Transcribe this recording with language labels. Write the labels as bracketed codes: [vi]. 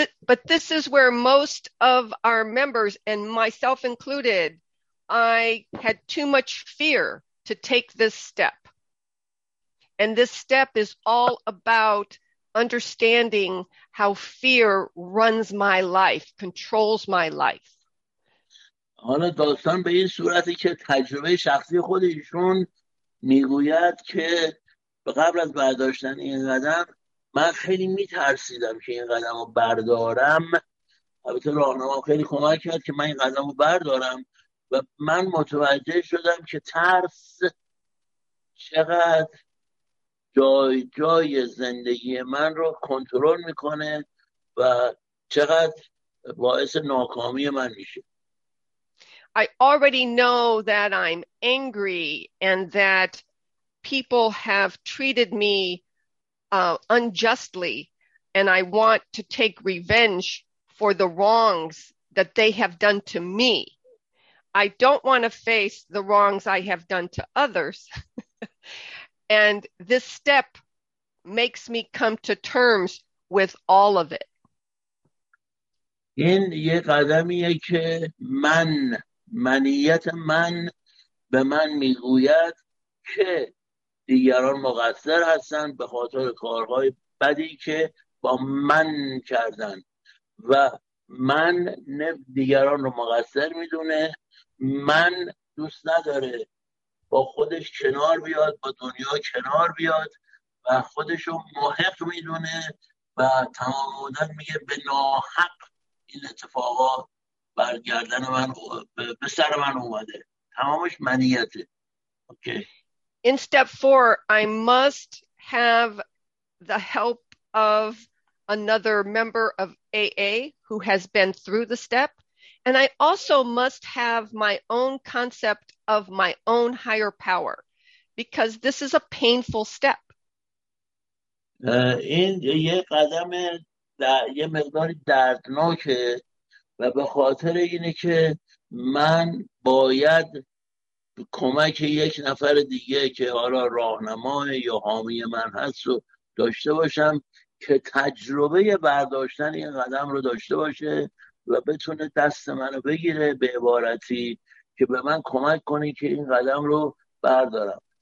[en] But this is where most of our members, and myself included, I had too much fear to take this step. And this step is all about understanding how fear runs my life, controls my life. [fa] حالا داستان به این صورتی که تجربه شخصی خود ایشون میگوید که قبل از برداشتن این قدم من خیلی میترسیدم که این قدم رو بردارم. البته راهنما خیلی کمک کرد که من این قدم رو بردارم و من متوجه شدم که ترس چقدر جای جای زندگی من رو کنترل میکنه و چقدر باعث ناکامی من میشه. [en] I already know that I'm angry and that people have treated me unjustly, and I want to take revenge for the wrongs that they have done to me. I don't want to face the wrongs I have done to others. And this step makes me come to terms with all of it. [fa] این یه قدمیه که منیت من به من میگوید که دیگران مقصر هستن به خاطر کارهای بدی که با من کردن و من دیگران رو مقصر میدونه. من دوست نداره با خودش کنار بیاد، با دنیا کنار بیاد و خودش رو محق میدونه و تمام مدت میگه به ناحق این اتفاقا برگردن من به سر من اومده. تمامش منیته. اوکی. [en] In step four, I must have the help of another member of AA who has been through the step. And I also must have my own concept of my own higher power, because this is a painful step. [fa] این یه قدم یه مقدار دردناکه و به خاطر اینه که من باید کمک یک نفر دیگه که حالا راهنمای یا حامی من هست رو داشته باشم که تجربه برداشتن این قدم رو داشته باشه و بتونه دست منو بگیره به عبارتی که به من کمک کنه که این قدم رو بردارم.